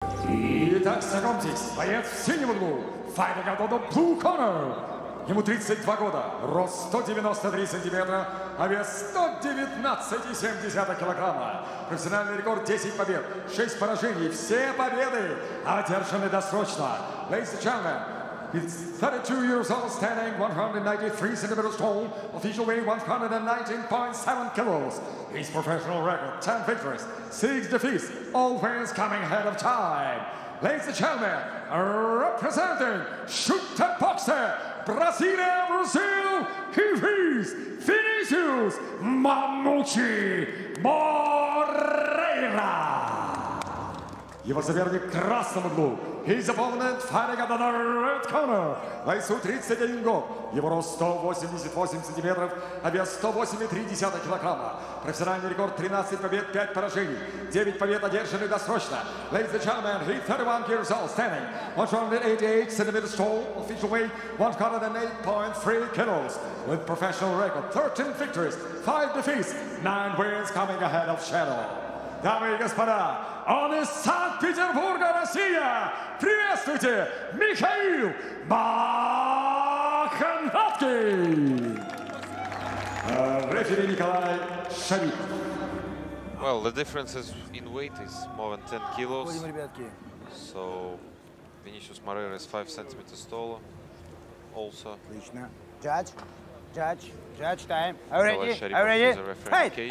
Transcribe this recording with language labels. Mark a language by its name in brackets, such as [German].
[Russian] Итак, знакомьтесь, боец в синем углу, fighting out of the blue corner. Ему 32 года, рост 193 сантиметра, а вес 119,7 килограмма. Профессиональный рекорд 10 побед, 6 поражений, все победы одержаны досрочно. [English] Ladies and gentlemen, he's 32 years old, standing 193 centimeters tall, official weight 119.7 kilos. His professional record, 10 victories, 6 defeats, always coming ahead of time. Ladies and gentlemen, representing Shooter Boxer, Brazilian Brazil, he is Vinicius Mamucci Moreira. [Russian] Его соперник в красном углу. [English] His opponent fighting at the red corner. [Russian] Бойцу 31 год. Его рост 188 сантиметров, а вес 108,3 килограмма. Профессиональный рекорд 13 побед, 5 поражений. 9 побед одержаны досрочно. Ladies and gentlemen, he's 31 years old, standing 188 centimeters tall, official weight 108.3 kilos. With professional record, 13 victories, 5 defeats, 9 wins coming ahead of schedule. Дамы и господа, он из Санкт-Петербурга, Россия. Приветствуйте, Михаил Маханаткин. Рефери Николай Шарик. [English] Well, the difference in weight is more than 10 kilos. [Russian] Входим, ребятки. [English] So, Vinicius Moreira is 5 centimeters taller. Also. Отлично. Judge time. Are you ready?